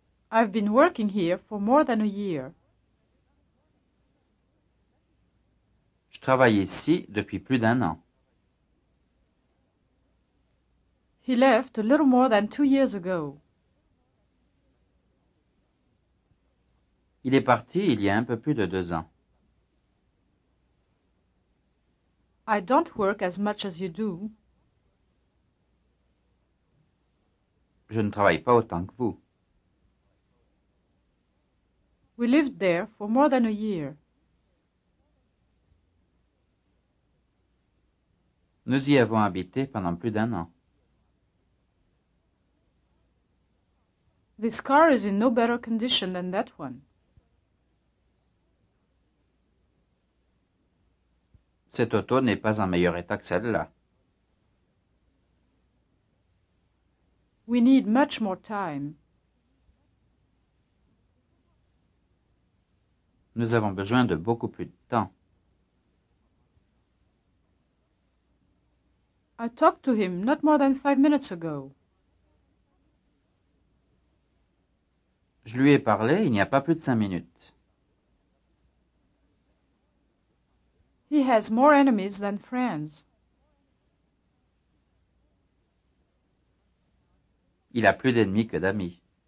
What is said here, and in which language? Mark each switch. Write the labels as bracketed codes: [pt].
[en] I've been working here for more than a year. [fr] Je travaille ici depuis plus d'un an. [en] He left a little more than 2 years ago. [fr] Il est parti il y a un peu plus de 2 ans. [en] I don't work as much as you do. [fr] Je ne travaille pas autant que vous. [en] We lived there for more than a year. [fr] Nous y avons habité pendant plus d'un an. [en] This car is in no better condition than that one. [fr] Cette auto n'est pas en meilleur état que celle-là. [en] We need much more time. [fr] Nous avons besoin de beaucoup plus de temps. [en] I talked to him not more than 5 minutes ago. [fr] Je lui ai parlé il n'y a pas plus de 5 minutes. [en] He has more enemies than friends. [fr] Il a plus d'ennemis que d'amis.